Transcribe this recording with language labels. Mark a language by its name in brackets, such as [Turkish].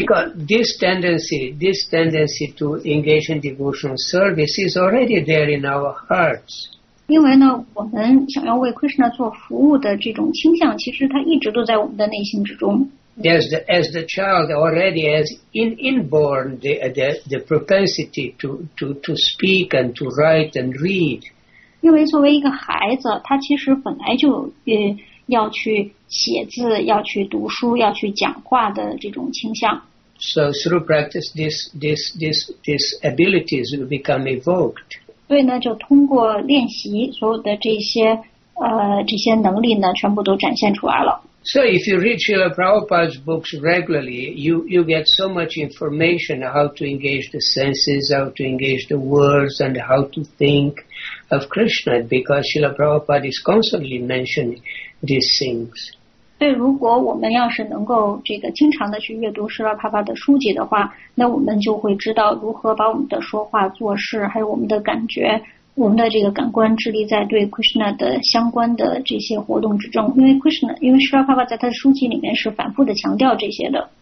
[English] Because this tendency to engage in devotional service is already there in our hearts. [Chinese] 因为呢我们想要为 Krishna 做服务的这种倾向其实它一直都在我们的内心之中。 [English] As the child already has inborn the propensity to speak and to write and read. [Chinese] 因为作为一个孩子他其实本来就要去写字要去读书要去讲话的这种倾向。 [English] So through practice this abilities will become evoked. [Chinese] 所以呢就通过练习所有的这些能力呢全部都展现出来了。 [English] So if you read Srila Prabhupada's books regularly, you get so much information how to engage the senses, how to engage the words, and how to think of Krishna, because Srila Prabhupada is constantly mentioning these things. [Chinese] 所以如果我们要是能够这个经常的去阅读 Srila Prabhupada 的书籍的话，那我们就会知道如何把我们的说话做事还有我们的感觉我们的这个感官致力在对 Krishna 的相关的这些活动之中，因为 Krishna 因为 Srila Prabhupada 在他的书籍里面是反复的强调这些的。